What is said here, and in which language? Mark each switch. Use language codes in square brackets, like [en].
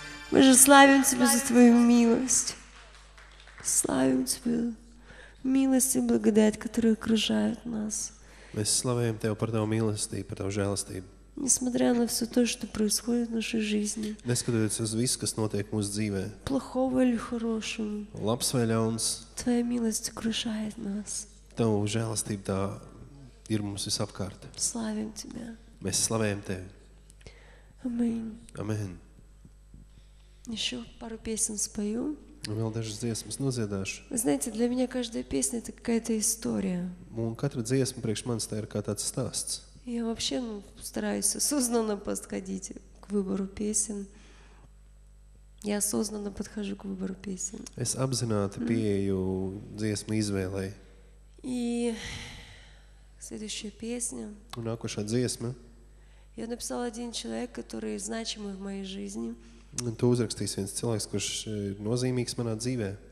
[ru] Мы же славим Тебя за Твою милость. Славим Тебя. Милость и благодать, которые окружают нас. Мы славим Тебя за Твою милость и за Твою жалость. Несмотря на все то, что происходит в нашей жизни. [lv] Neskatoties uz visu, kas notiek mūsu dzīvē. [ru] Плохого или хорошего. [lv] Labs vai ļauns. [ru] Твоя милость окружает нас. [lv] Tavu žēlastību tā ir mums visapkārt. [ru] Slāvim Tebā. [lv] Mēs slavējam Tevi. [ru] Amen. [lv] Amen. [ru] Ещё пару песен спою. [lv] Un vēl dažas dziesmas noziedāšu. [ru] Вы знаете, для меня каждая песня это какая-то история. [lv] Un katra dziesma priekš manis tā ir kā tāds stāsts. [ru] Я вообще стараюсь осознанно подходить к выбору песен. Я осознанно подхожу к выбору песен. [lv] Es apzināti pieeju dziesmu izvēlei. [ru] И следующая песня. [lv] Un nākošā dziesma. [ru] Я написал один человек, который значимый в моей жизни. [lv] Un tu uzrakstīsi viens cilvēks, kurš ir nozīmīgs manā dzīvē.